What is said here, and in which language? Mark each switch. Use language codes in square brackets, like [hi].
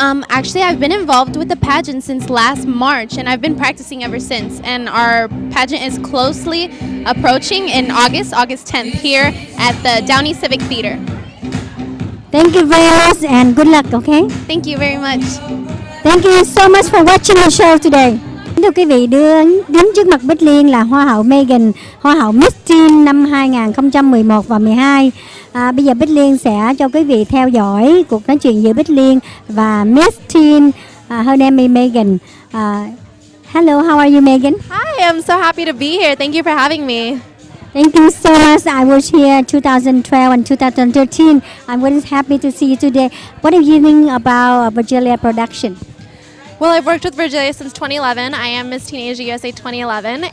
[en] Actually, I've been involved with the pageant since last March, and I've been practicing ever since. And our pageant is closely approaching in August 10th, here at the Downey Civic Theater. Thank you very much, and good luck, okay? Thank you very much. Thank you so much for watching the show today. [vi] Thưa quý vị, đứng trước mặt Bích Liên là Hoa hậu Megan, Hoa hậu Miss Teen năm 2011 và 12. Bây giờ Bích Liên sẽ cho quý vị theo dõi cuộc nói chuyện giữa Bích Liên và Miss Teen, [en] her name is Megan. Hello, how are you, Megan? Hi, I'm so happy to be here. Thank you for having me. Thank you so much. I was here 2012 and 2013. I'm really happy to see you today. What do you think about Virgilia production? Well, I've worked with Virgilia since 2011. I am Miss Teen Asia USA 2011.